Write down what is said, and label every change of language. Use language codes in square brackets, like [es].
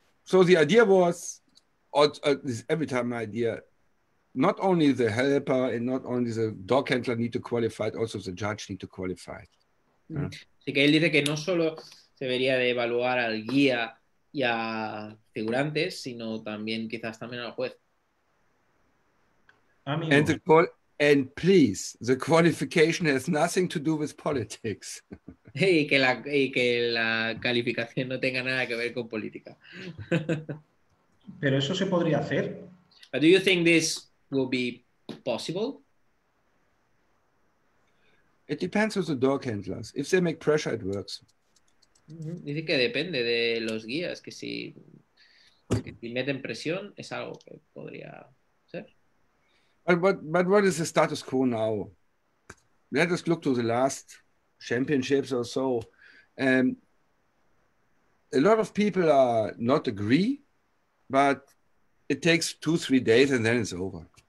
[en] So the idea was, every time my idea, not only the helper and not only the dog handler need to qualify, also the judge need to qualify. [es] Así que él dice que no solo se debería de evaluar al guía y a figurantes, sino también quizás también al juez. Amigo. [en] And please, the qualification has nothing to do with politics. [es] y que la calificación no tenga nada que ver con política. Pero eso se podría hacer. [en] But do you think this will be possible? It depends on the dog handlers. If they make pressure, it works. Mm-hmm. [es] Dice que depende de los guías, que si meten presión, es algo que podría ser. [en] But what is the status quo now? Let us look to the last championships or so. A lot of people are not agree, but it takes 2-3 days and then it's over.